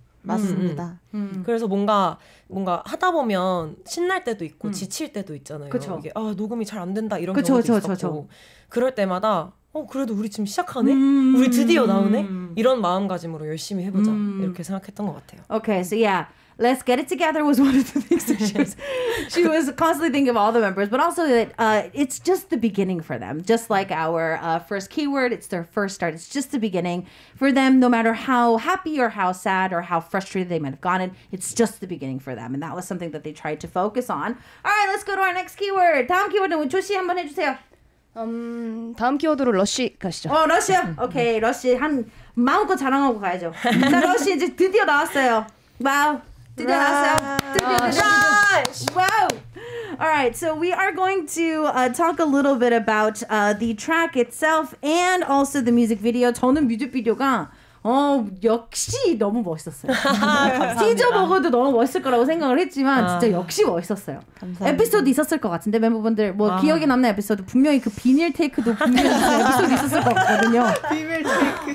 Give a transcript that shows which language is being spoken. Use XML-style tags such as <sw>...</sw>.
<ko>맞습니다. 그래서 뭔가 하다 보면 신날 때도 있고 지칠 때도 있잖아요. 그쵸. 이게 아, 녹음이 잘 안 된다 이런 그쵸, 경우도 그쵸, 있었고 그쵸, 그쵸. 그럴 때마다 그래도 우리 지금 시작하네? 우리 드디어 나오네? 이런 마음가짐으로 열심히 해보자. 이렇게 생각했던 것 같아요.</ko> <en>Okay, so yeah. Let's get it together was one of the things that she was constantly thinking of all the members, but also that it's just the beginning for them. Just like our first keyword, it's their first start. It's just the beginning for them, no matter how happy or how sad or how frustrated they might have gotten. It's just the beginning for them. And that was something that they tried to focus on. All right, let's go to our next keyword.</en> <ko>다음 키워드는 조시 한번 해주세요. 다음 키워드로 러쉬 가시죠. 러쉬요? 오케이, 러쉬 한 마음껏 자랑하고 가야죠. 자, 러쉬 이제 드디어 나왔어요. 와우.</ko> <en>All right, so we are going to talk a little bit about the track itself and also the music video.</en> <ko>저는 뮤직비디오가 역시 너무 멋있었어요. 티저 먹어도 너무 멋있을 거라고 생각을 했지만 진짜 역시 멋있었어요. 감사합니다. 에피소드 있었을 것 같은데 멤버분들 뭐 기억에 남는 에피소드 분명히 그 비닐 테이크도 분명히 에피소드 있었을 것 같거든요. 비닐 테이크.</ko>